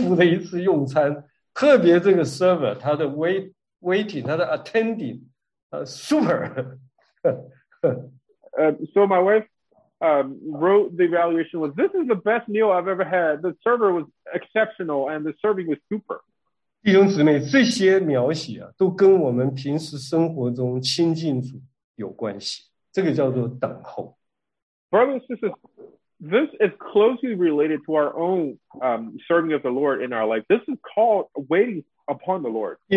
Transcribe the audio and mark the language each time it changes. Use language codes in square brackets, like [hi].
[zh] 那一天我姊妹就，她英文好，她就写了，这是我一生最舒服的一次用餐，特别这个 server, 她的 waiting, 她的 attending, super. [en] So my wife wrote the evaluation was, this is the best meal I've ever had. The server was exceptional and the serving was super. [zh] 弟兄姊妹，这些描写啊，都跟我们平时生活中亲近主有关系。这个叫做等候。Brothers [en] and sisters, this is closely related to our own serving of the Lord in our life. This is called waiting upon the Lord.